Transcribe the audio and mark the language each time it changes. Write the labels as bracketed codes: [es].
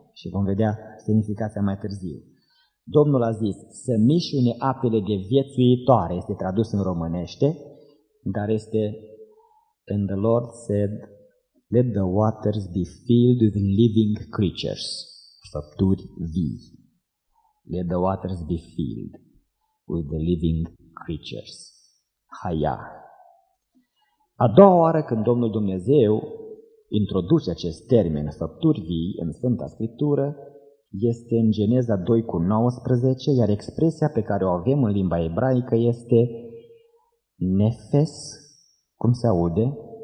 [ro] Și vom vedea semnificația mai târziu. Domnul a zis să mișune apele de viețuitoare, este tradus în românește, dar este [en] "And the Lord said, let the waters be filled with living creatures," [ro] făpturi vii. [en] Let the waters be filled with the living creatures. [he] Haya. [ro] A doua oară când Domnul Dumnezeu introduce acest termen, făpturi vii, în Sfânta Scriptură, este în Geneza 2:19, iar expresia pe care o avem în limba ebraică este nefes, cum se aude?